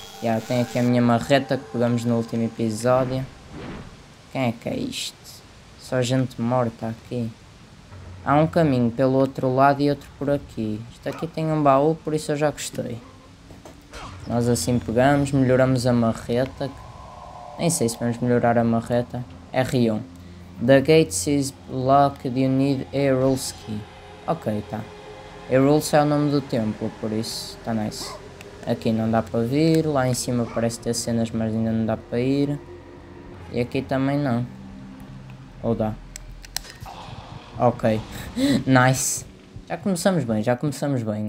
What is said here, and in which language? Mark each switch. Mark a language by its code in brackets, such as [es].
[pt] Yeah, tem aqui a minha marreta que pegamos no último episódio. Quem é que é isto? Só gente morta aqui. Há um caminho pelo outro lado e outro por aqui. Isto aqui tem um baú, por isso eu já gostei. Nós assim pegamos, melhoramos a marreta. Nem sei se vamos melhorar a marreta. R1. [en] The gate is locked, you need a rules key. [pt] Ok, tá. A rules é o nome do templo, por isso tá nice. Aqui não dá para vir, lá em cima parece ter cenas, mas ainda não dá para ir. E aqui também não. Ou dá? Ok, nice. Já começamos bem, já começamos bem.